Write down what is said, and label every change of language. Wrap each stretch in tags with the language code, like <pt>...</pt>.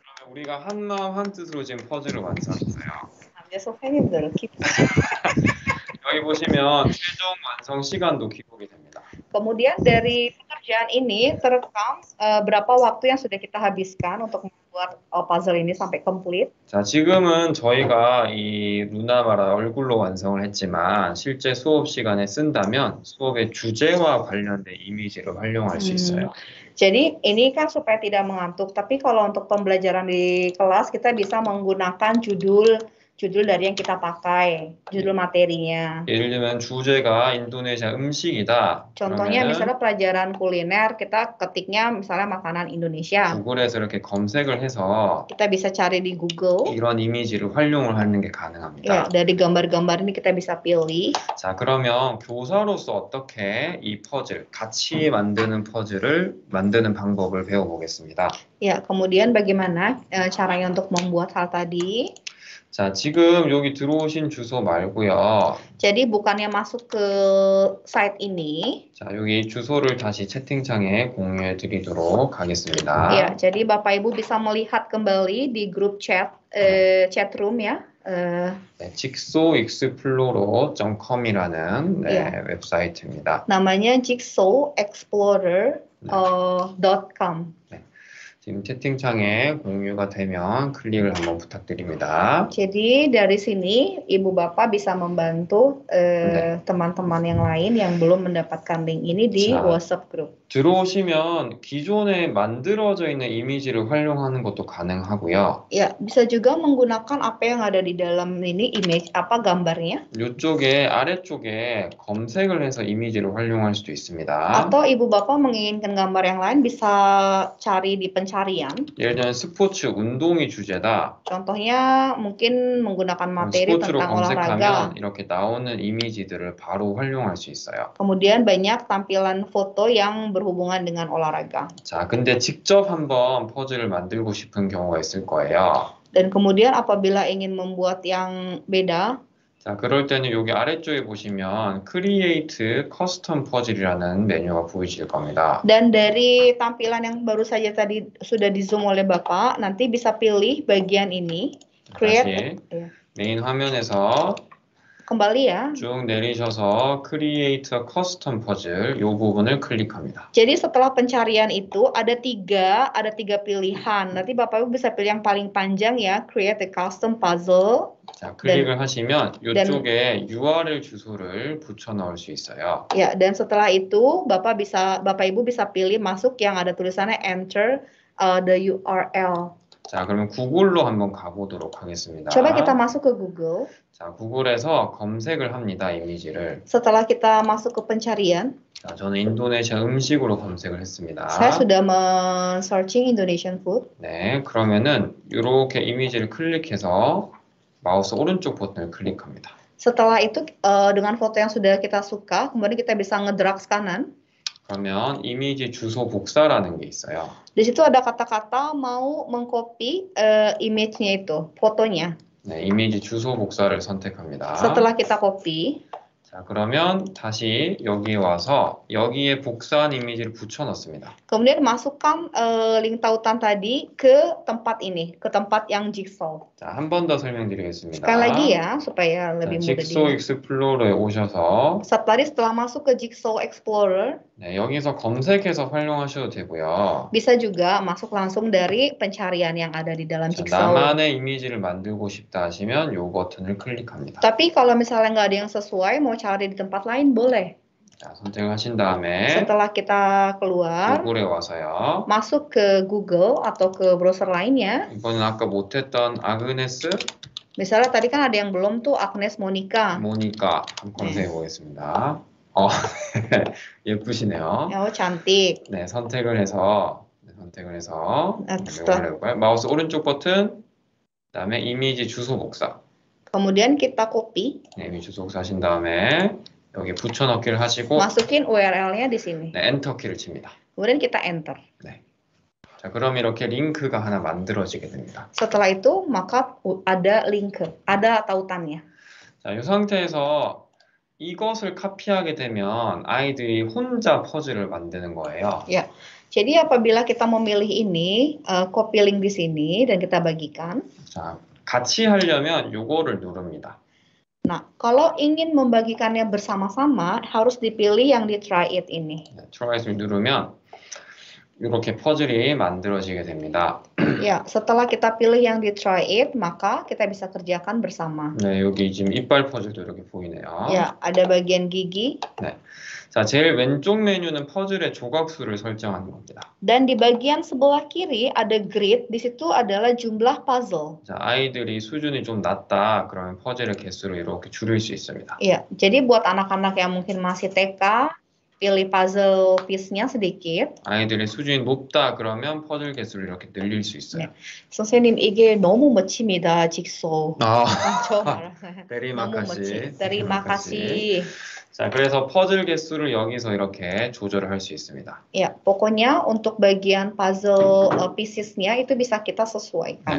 <ko>우리가 한 마음 한 뜻으로 지금 퍼즐을 완성했어요. 남녀석 팬님들은 여기 보시면 최종 완성 시간도 기록이 됩니다.</ko> <id>Kemudian dari pekerjaan ini terekam berapa waktu yang sudah kita habiskan untuk membuat puzzle ini sampai komplit.</id> <ko>자, 지금은 저희가 이 루나마라 얼굴로 완성을 했지만 실제 수업 시간에 쓴다면 수업의 주제와 관련된 이미지를 활용할 수 있어요.</ko> <id>Jadi ini kan supaya tidak mengantuk, tapi kalau untuk pembelajaran di kelas kita bisa menggunakan judul judul dari yang kita pakai, judul materinya.</id> <ko>예를 들면 주제가 인도네시아 음식이다. 정통이야</ko> <id>misalnya pelajaran kuliner kita ketiknya misalnya makanan Indonesia.</id> <ko>구글에서 이렇게 검색을 해서</ko> <id>kita bisa cari di Google.</id> <ko>이런 이미지를 활용을 하는 게 가능합니다.</ko> <id>예, yeah, dari gambar-gambar ini kita bisa pilih.</id> <ko>자, 그러면 교사로서 어떻게 이 퍼즐 같이 만드는 퍼즐을 만드는 방법을 배워 보겠습니다.</ko> <id>예, yeah, kemudian bagaimana caranya untuk membuat hal tadi?</id> <ko>자, 지금 여기 들어오신 주소 말고요.</ko> <id>Jadi bukannya masuk ke site ini.</id> <ko>자, 여기 주소를 다시 채팅창에 공유해 드리도록 하겠습니다.</ko> <id>Iya, yeah, jadi Bapak Ibu bisa melihat kembali di grup chat chat room ya.</id> <ko>네, 직소익스플로러.com이라는 네, yeah. 웹사이트입니다.</ko> <id>Namanya jigsawexplorer.com. 네.</id> <ko>지금 채팅창에 공유가 되면 클릭을 한번 부탁드립니다.</ko> <id>Jadi dari sini ibu bapak bisa membantu 네. teman-teman yang lain yang belum mendapatkan link ini di 자, WhatsApp group.</id> <ko>들어오시면 기존에 만들어져 있는 이미지를 활용하는 것도 가능하고요.</ko> <id>Ya, bisa juga menggunakan apa yang ada di dalam ini image apa gambarnya?</id> <ko>이쪽에 아래쪽에 검색을 해서 이미지를 활용할 수도 있습니다.</ko> <id>Atau ibu bapak menginginkan gambar yang lain bisa cari di pencarian.</id> <ko>예를 들면 스포츠 운동이 주제다.</ko> <id>Contohnya mungkin menggunakan materi tentang olahraga.</id> <ko>이렇게 나오는 이미지들을 바로 활용할 수 있어요.</ko> <id>Kemudian banyak tampilan foto yang berhubungan dengan olahraga.</id> <ko>자, 근데 직접 한번 퍼즐을 만들고 싶은 경우가 있을 거예요.</ko> <id>Dan kemudian apabila ingin membuat yang beda.</id> <ko>자, 그럴 때는 여기 아래쪽에 보시면 Create Custom Puzzle이라는 메뉴가 보이실 겁니다.</ko> <id>Dan dari tampilan yang baru saja tadi sudah di zoom oleh Bapak, nanti bisa pilih bagian ini.</id> <ko>Create. 다시 메인 화면에서</ko> <id>kembali ya.</id> <ko>쭉 내리셔서 Create a Custom Puzzle 요 부분을 클릭합니다.</ko> <id>Jadi setelah pencarian itu ada tiga pilihan. Nanti Bapak Ibu bisa pilih yang paling panjang ya, Create a Custom Puzzle.</id> <ko>자, 클릭을</ko> <id>dan,</id> <ko>하시면 요쪽에 URL 주소를 붙여 넣을 수 있어요.</ko> <id>Ya, yeah, dan setelah itu Bapak Ibu bisa pilih masuk yang ada tulisannya enter the URL.</id> <ko>자, 그러면 구글로 한번 가보도록 하겠습니다.</ko> <id>Coba kita masuk ke Google.</id> <ko>자, 구글에서 검색을 합니다, 이미지를.</ko> <id>Setelah kita masuk ke pencarian.</id> <ko>자, 저는 인도네시아 음식으로 검색을 했습니다.</ko> <id>Saya sudah searching Indonesian food.</id> <ko>네, 그러면은 이렇게 이미지를 클릭해서 마우스 오른쪽 버튼을 클릭합니다.</ko> <id>Setelah itu dengan foto yang sudah kita suka, kemudian kita bisa ngedrag kanan.</id> <ko>그러면 이미지 주소 복사라는 게 있어요.</ko> <id>Di situ ada kata-kata mau mengcopy image-nya itu, fotonya.</id> <ko>네, 이미지 주소 복사를 선택합니다.</ko> <id>Setelah kita copy.</id> <ko>자, 그러면 다시 여기 와서 여기에 복사한 이미지를 붙여 넣습니다.</ko> <id>Kemudian masukkan link tautan tadi ke tempat ini, ke tempat yang jigsaw.</id> <ko>자, 한 번 더 설명드리겠습니다.</ko> <id>Sekali lagi ya, supaya lebih</id> <ko>자, 자, 직소</ko> <id>mudah.</id> <ko>Jigsaw Explorer에 오셔서</ko> <id>setelah masuk ke Jigsaw Explorer.</id> <ko>네, 여기서 검색해서 활용하셔도 되고요.</ko> <id>Bisa juga masuk langsung dari pencarian yang ada di dalam</id> <ko>자,</ko> <id>Jigsaw.</id> <ko>나만의 이미지를 만들고 싶다 하시면 요 버튼을 클릭합니다.</ko> <id>Tapi kalau misalnya enggak ada yang sesuai, mau cari di tempat lain boleh.</id> <ko>자, 선택하신 다음에</ko> <id>setelah kita keluar,</id> <ko>Google에 와서요.</ko> <id>Masuk ke Google atau ke browser lainnya.</id> <ko>이번엔 아까 못했던 아그네스.</ko> <id>Misalnya tadi kan ada yang belum tuh Agnes Monica.</id> <ko>Monica 한번 검색해 보겠습니다. 예쁘시네요. 어, 잔틱. 네, 선택을 해서 네, 마우스 오른쪽 버튼 그다음에 이미지 주소 복사.</ko> <id>Kemudian kita copy.</id> <ko>네, 이미지 주소 복사하신 다음에 여기 붙여넣기를 하시고</ko> <id>masukin URL-nya di sini.</id> <ko>네, 엔터 키를 칩니다.</ko> <id>Kemudian kita enter.</id> <ko>네. 자, 그럼 이렇게 링크가 하나 만들어지게 됩니다.</ko> <id>Setelah itu maka ada link, ada tautannya.</id> <ko>자, 이 상태에서 이것을 카피하게 되면 아이들이 혼자 퍼즐을 만드는 거예요.</ko> <id>예. Yeah. Jadi apabila kita memilih ini, copy link di sini dan kita bagikan.</id> <ko>자, 같이 하려면 요거를 누릅니다.</ko> <id>Nah, kalau ingin membagikannya bersama-sama harus dipilih yang di try it ini.</id> <ko>Try it 누르면 이렇게 퍼즐이 만들어지게 됩니다.</ko> <id>야, setelah kita pilih yang di try it, maka kita bisa kerjakan bersama.</id> <ko>네, 여기 지금 이빨 퍼즐도 이렇게 보이네요.</ko> <id>야, ada bagian gigi.</id> <ko>네. 자, 제일 왼쪽 메뉴는 퍼즐의 조각수를 설정하는 겁니다.</ko> <id>Dan di bagian sebelah kiri ada grid, di situ adalah jumlah puzzle.</id> <ko>자, 아이들이 수준이 좀 낮다 그러면 퍼즐의 개수를 이렇게 줄일 수 있습니다.</ko> <id>야, jadi buat anak-anak yang mungkin masih TK pilih puzzle piece-nya sedikit.</id> <ko>아이들의 수준이 높다 그러면 퍼즐 개수를 이렇게 늘릴 수 있어요. 네. 선생님 이게 너무 멋집니다. 직소. 아, 저 대리마카시. 대리마카시. 자, 그래서 퍼즐 개수를 여기서 이렇게 조절을 할 수 있습니다.</ko> <id>예, yeah, pokoknya untuk bagian puzzle pieces-nya itu bisa kita sesuaikan.</id>